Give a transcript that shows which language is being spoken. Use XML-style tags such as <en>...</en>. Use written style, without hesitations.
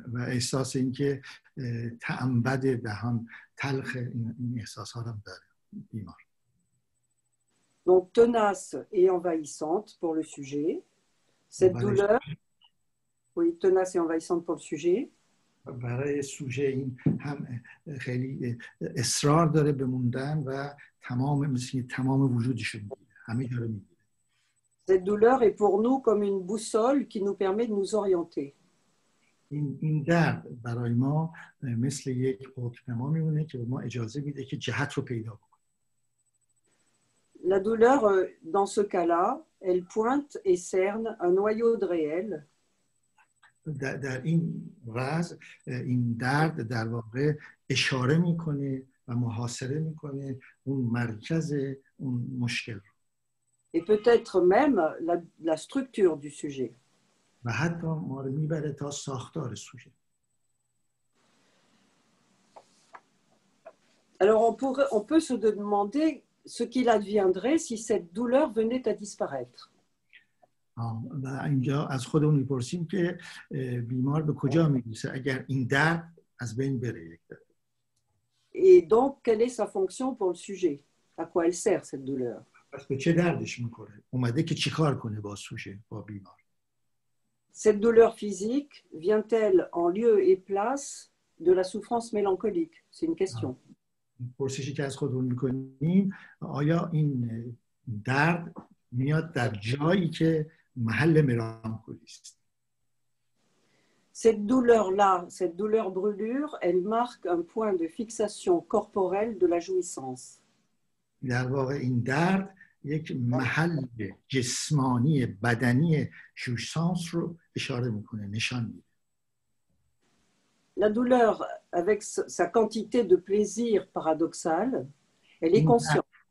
<fr>Et ça, c'est une qui est ta'ambade, d'aham, talche, une sensation de l'image. Donc, tenace et envahissante pour le sujet. Cette douleur. Oui, tenace et envahissante pour le sujet.</fr> <fa>برای سوژه این هم خیلی اصرار داره به موندن و تمام مثل تمام وجودش رو میگیره همه جا رو میگیره</fa> <fr>cette douleur est pour nous comme une boussole qui nous permet de nous orienter</fr> <fa>این درد برای ما مثل یک قطب‌نما میمونه که به ما اجازه میده که جهت رو پیدا کنیم</fa> <fr>la douleur dans ce cas-là elle pointe et cerne un noyau de réel</fr> <fa>در این وضع این درد در واقع اشاره میکنه و محاصره میکنه اون مرکز اون مشکل رو</fa> <fr>et peut-être même la structure du sujet</fr> <fa>و حتی ما رو میبره تا ساختار سوژه</fa> <fr>alors on peut se demander ce qu'il adviendrait si cette douleur venait à disparaître</fr> <fa>و اینجا از خودمون میپرسیم که بیمار به کجا میرسه اگر این درد از بین بره یک درد</fa> <fr>et donc quelle est sa fonction pour le sujet à quoi elle sert cette douleur</fr> <fa>پس به چه دردش میکنه اومده که چیکار کنه با سوژه با بیمار</fa> <fr>cette douleur physique vient-elle en lieu et place de la souffrance mélancolique c'est une question</fr> <fa>پرسشی که از خودمون میکنیم آیا این درد میاد در جایی که محل ملانکولیست</fa> <fr>cette douleur là cette douleur brûlure elle marque un point de fixation corporelle de la jouissance</fr> <fa>در واقع این درد یک محل جسمانی بدنی جوشانس رو اشاره میکنه نشان میده</fa> <fr>la douleur avec sa quantité de plaisir paradoxal elle est consciente</fr>